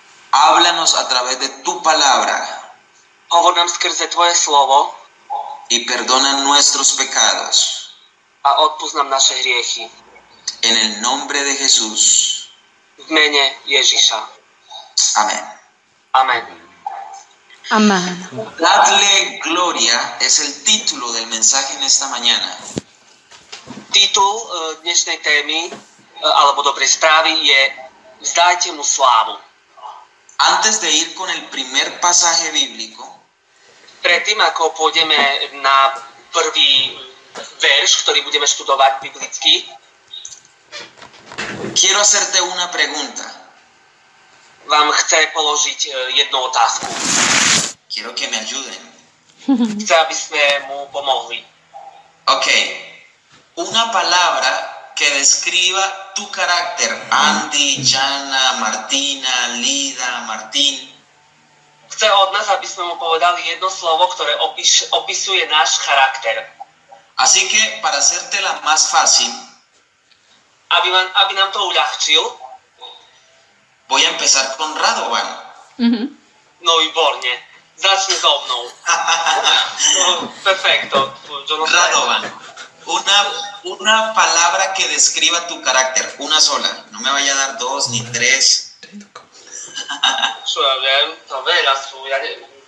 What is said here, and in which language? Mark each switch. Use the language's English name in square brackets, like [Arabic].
[Spanish] Háblanos a través de tu palabra. [Slovak] Hovor nám skrze tvoje slovo. [Spanish] Y perdona nuestros pecados. [Slovak] A odpusť nám naše hriechy. [Spanish] En el nombre de Jesús. [Slovak] V mene Ježiša. [Spanish] Amén. Amén. Amén. Dadle gloria es el título del mensaje en esta mañana. [Slovak] Titul dnešnej témy, alebo dobrej správy, je Vzdajte mu slávu. [Spanish] Antes de ir con el primer pasaje bíblico, [Slovak] predtým, ako pôjdeme na prvý verš, ktorý budeme študovať biblicky, [Spanish] quiero hacerte una pregunta. [Slovak] Vám chcem položiť jednu otázku. [Spanish] Quiero que me ayuden. [Slovak] Chcem, aby sme mu pomohli. [Spanish] Ok. Una palabra que describa tu carácter, Andy, Jana, Martina, Lida, Martín. [Slovak] Chce od nás, aby sme mu povedali jedno slovo, ktoré opisuje náš charakter. [Spanish] Así que, para hacértela más fácil, [Slovak] aby nám to uľahčil, [Spanish] voy a empezar con Radovan. [Slovak] No, výborne. Začne so mnou. Perfecto. [Spanish] Radovan. Una palabra que describa tu carácter, una sola. No me vaya a dar dos ni tres. [Slovak] Čo ja viem, to veľa sú, ja neviem.